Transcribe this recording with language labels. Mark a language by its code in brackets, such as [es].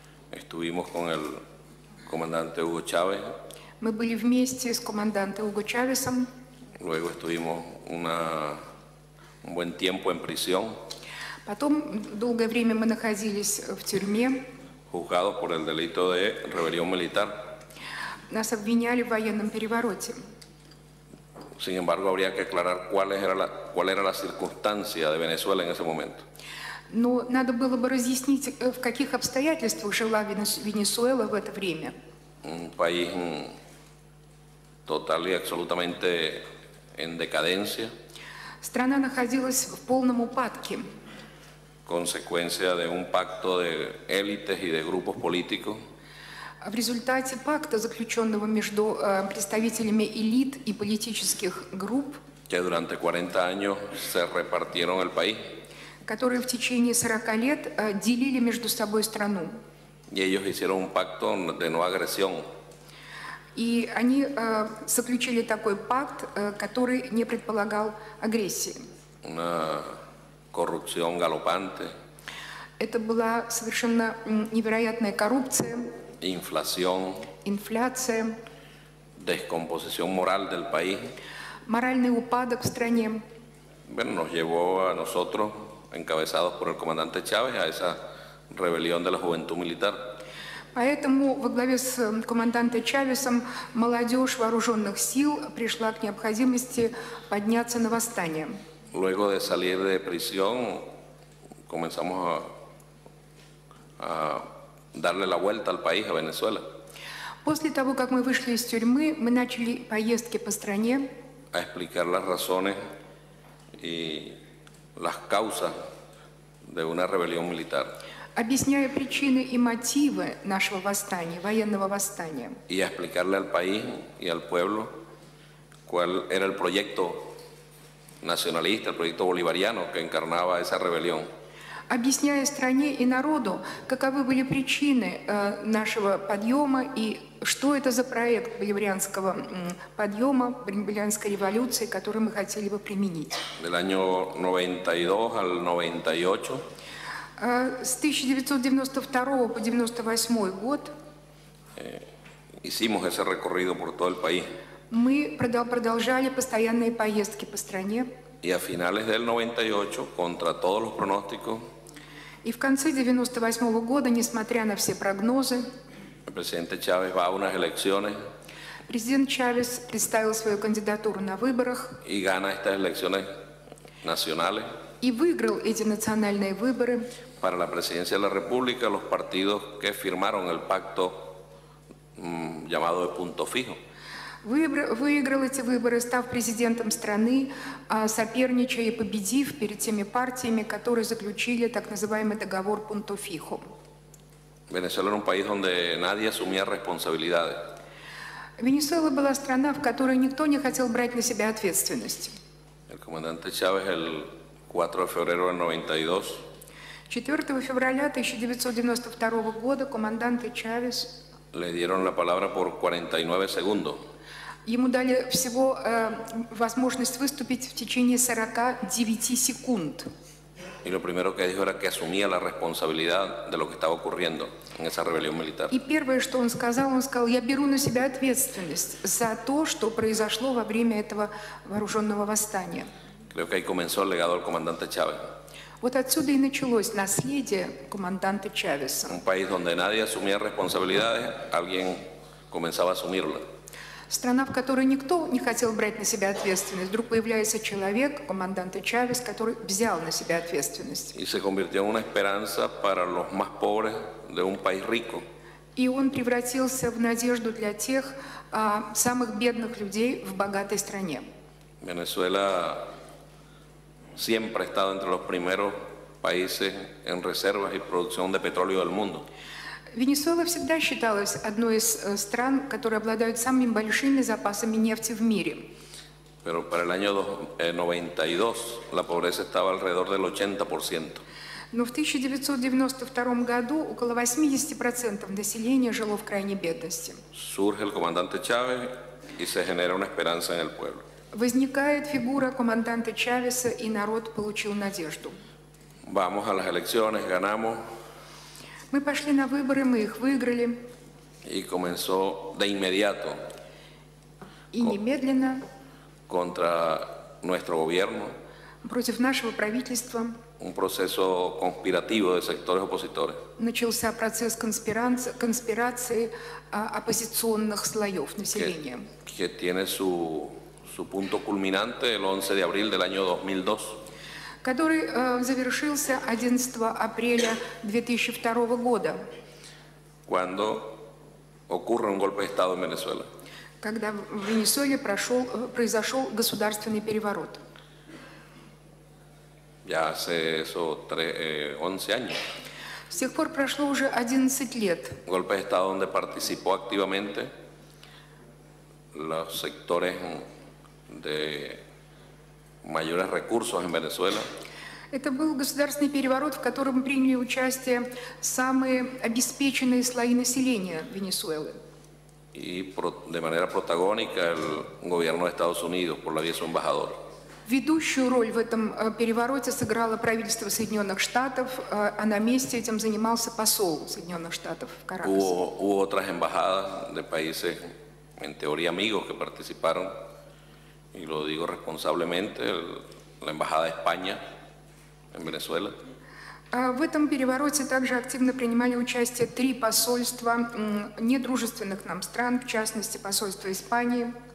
[es] Estuvimos con el comandante Hugo Chávez. [ru] Мы были вместе с командантом Уго Чавесом. [es] Luego estuvimos un buen tiempo en prisión. [ru] Потом долгое время мы находились в тюрьме. [es] Juzgados por el delito de rebelión militar. [ru] Нас обвиняли в военном перевороте. [es] Sin embargo, habría que aclarar cuál era la circunstancia de Venezuela en ese momento. [ru] Но надо было бы разъяснить, в каких обстоятельствах жила Венесуэла в это время. [es] Un país total y absolutamente en decadencia. [ru] Страна находилась в полном упадке. [es] Consecuencia de un pacto de élites y de grupos políticos. [ru] В результате пакта, заключенного между представителями элит и политических групп. [es] Que durante 40 años se repartieron el país. [ru] Которые в течение 40 лет делили между собой страну. [es] Y ellos hicieron un pacto de no agresión. [ru] И они заключили такой пакт, который не предполагал агрессии. [es] Una corrupción galopante. [ru] Это была совершенно невероятная коррупция. [es] Inflación. [ru] Инфляция. [es] Descomposición moral del país. [ru] Моральный упадок в стране. [es] Bueno, nos llevó a nosotros, encabezados por el comandante Chávez, a esa rebelión de la juventud militar. [ru] Поэтому во главе с командантом Чавесом молодежь вооруженных сил пришла к необходимости подняться на восстание. [es] Luego de salir de prisión, comenzamos a darle la vuelta al país, a Venezuela. [ru] После того, как мы вышли из тюрьмы, мы начали поездки по стране. [es] A explicar las razones y las causas de una rebelión militar. [ru] Объясняя причины и мотивы нашего восстания, военного восстания. [es] Y explicarle al país y al pueblo cuál era el proyecto nacionalista, el proyecto bolivariano que encarnaba esa rebelión. [ru] Объясняя стране и народу, каковы были причины нашего подъема и что это за проект боливарианского подъема, боливарианской революции, который мы хотели бы применить. [es] Del año 92 al 98. [ru] С 1992 по 1998 год [es] hicimos ese recorrido por todo el país. [ru] Мы продолжали постоянные поездки по стране. [es] Y a finales del 98, contra todos los pronósticos, [ru] и в конце 1998 года, несмотря на все прогнозы, [es] el presidente Chávez va a unas elecciones, [ru] президент Чавес представил свою кандидатуру на выборах [es] y gana estas elecciones nacionales. [ru] И выиграл эти национальные выборы. [es] Para la presidencia de la República, los partidos que firmaron el pacto llamado de punto fijo. [ru] Выиграл эти выборы, став президентом страны, соперничая и победив перед теми партиями, которые заключили так называемый договор punto fijo. [es] Venezuela era un país donde nadie asumía responsabilidades. [ru] Венесуэла была страна, в которой никто не хотел брать на себя ответственность. [es] El comandante Chávez el 4 de febrero del 92. [ru] 4 февраля 1992 года командант Чавес. [es] Le dieron la palabra por 49 segundos. [ru] Ему дали всего возможность выступить в течение 49 секунд. [es] Y lo primero que dijo era que asumía la responsabilidad de lo que estaba ocurriendo en esa rebelión militar. [ru] И первое, что он сказал, я беру на себя ответственность за то, что произошло во время этого вооруженного восстания. [es] Creo que ahí comenzó el legado del comandante Chávez. [ru] Вот отсюда и началось наследие команданта Чавеса. [es] Un país donde nadie asumía responsabilidades, alguien comenzaba a asumirla. [ru] Страна, в которой никто не хотел брать на себя ответственность, вдруг появляется человек, командант Чавес, который взял на себя ответственность. [es] Y se convirtió en una esperanza para los más pobres de un país rico. [ru] И он превратился в надежду для тех самых бедных людей в богатой стране. [es] Venezuela siempre ha estado entre los primeros países en reservas y producción de petróleo del mundo. [ru] Венесуэла всегда считалась одной из стран, которые обладают самыми большими запасами нефти в мире. [es] Pero para el año 92 la pobreza estaba alrededor del 80%. [ru] Но в 1992 году около 80% населения жило в крайней бедности. [es] Surge el comandante Chávez y se genera una esperanza en el pueblo. [ru] Возникает фигура команданта Чавеса, и народ получил надежду. [es] Vamos a las elecciones, ganamos. [ru] Мы пошли на выборы, мы их выиграли. [es] Y comenzó de inmediato. [ru] И немедленно. [es] Contra nuestro gobierno. [ru] Против нашего правительства. [es] Un proceso conspirativo de sectores opositores. [ru] Начался процесс конспирации оппозиционных слоев населения. [es] Que tiene su punto culminante el 11 de abril del año 2002. [ru] Который завершился 11 апреля 2002 года. [es] Cuando ocurre un golpe de Estado en Venezuela. [ru] Когда в Венесуэле произошел государственный переворот. [es] Ya hace eso 11 años. [ru] С тех пор прошло уже 11 лет. [es] Golpe de Estado donde participó activamente los sectores de mayores recursos en Venezuela. [ru] Это был государственный переворот, в котором приняли участие самые обеспеченные слои населения Венесуэлы. [es] Y de manera protagónica el gobierno de Estados Unidos por la vía de su embajador. [ru] Ведущую роль в этом перевороте сыграло правительство Соединенных Штатов, а на месте этим занимался посол Соединенных Штатов в Каракасе. [es] Hubo otras embajadas de países en teoría amigos que participaron, y lo digo responsablemente, la embajada de España en Venezuela. [ru] В этом перевороте также активно принимали участие три посольства недружественных нам стран, в частности посольство Испании.